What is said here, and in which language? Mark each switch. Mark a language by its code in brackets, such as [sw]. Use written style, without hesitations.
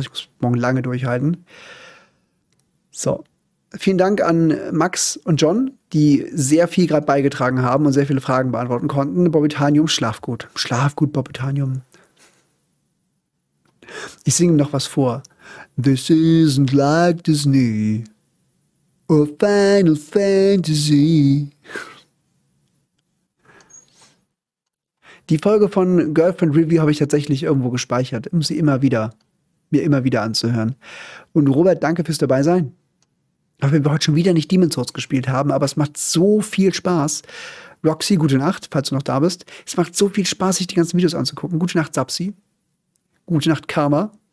[de] Ich muss morgen lange durchhalten. So. Vielen Dank an Max und John, die sehr viel gerade beigetragen haben und sehr viele Fragen beantworten konnten. Bobby Tanium, schlaf gut. Schlaf gut, Bobby Tanium. Ich singe ihm noch was vor. [en] This isn't like Disney or Final Fantasy. [de] Die Folge von Girlfriend Review habe ich tatsächlich irgendwo gespeichert, um sie immer wieder, mir immer wieder anzuhören. Und Robert, danke fürs Dabeisein. Auch wenn wir heute schon wieder nicht Demon's Souls gespielt haben, aber es macht so viel Spaß. Roxy, gute Nacht, falls du noch da bist. Es macht so viel Spaß, sich die ganzen Videos anzugucken. Gute Nacht, Sapsi. Gute Nacht, Karma.